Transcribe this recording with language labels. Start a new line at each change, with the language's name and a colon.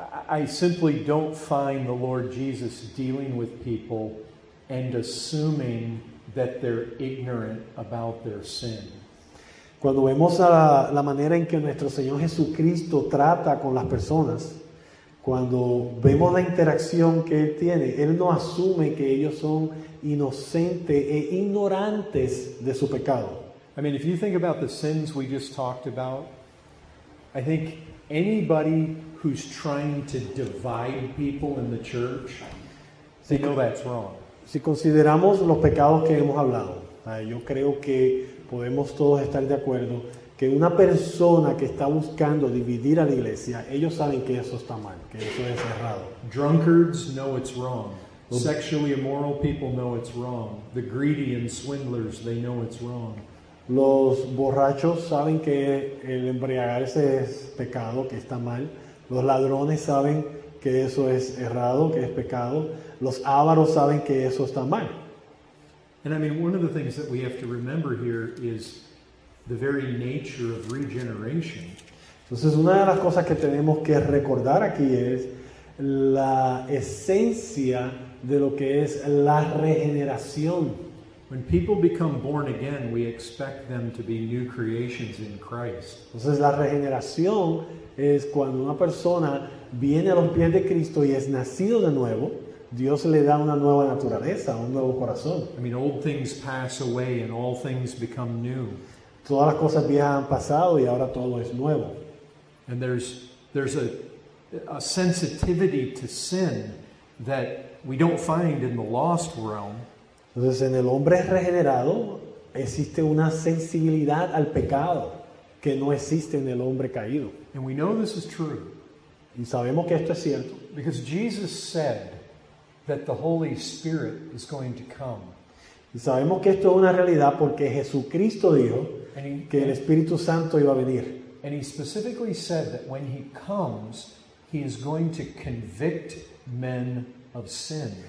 English: I simply don't find the Lord Jesus dealing with people and assuming that they're ignorant about their sin.
Spanish: Cuando vemos a la manera en que nuestro Señor Jesucristo trata con las personas, cuando vemos la interacción que Él tiene, Él no asume que ellos son inocentes e ignorantes de su pecado.
English: I mean, if you think about the sins we just talked about, I think anybody who's trying to divide people in the church, they know that's wrong.
Spanish: Si consideramos los pecados que hemos hablado, yo creo que podemos todos estar de acuerdo que una persona que está buscando dividir a la iglesia, ellos saben que eso está mal, que eso es errado.
English: Drunkards know it's wrong. Sexually immoral people know it's wrong. The greedy and swindlers, they know it's wrong.
Spanish: Los borrachos saben que el embriagarse es pecado, que está mal. Los ladrones saben que eso es errado, que es pecado. Los avaros saben que eso está mal.
English: And I mean, one of the things that we have to remember here is the very nature of regeneration.
Spanish: Entonces, una de las cosas que tenemos que recordar aquí es la esencia de lo que es la regeneración.
English: When people become born again, we expect them to be new creations in Christ.
Spanish: Entonces, la regeneración es cuando una persona viene a los pies de Cristo y es nacido de nuevo, Dios le da una nueva naturaleza, un nuevo corazón.
English: I mean, old things pass away and all things become new.
Spanish: Todas las cosas viejas han pasado y ahora todo es nuevo.
English: And there's a sensitivity to sin that we don't find in the lost realm.
Spanish: Entonces, en el hombre regenerado existe una sensibilidad al pecado que no existe en el hombre caído.
English: And we know this is true.
Spanish: Y sabemos que esto es cierto.
English: Because Jesus said that the Holy Spirit is going to come.
Spanish: Y sabemos que esto es una realidad porque Jesucristo dijo que el Espíritu Santo iba a venir.
English: And he specifically said that when he comes, he is going to convict men of sin.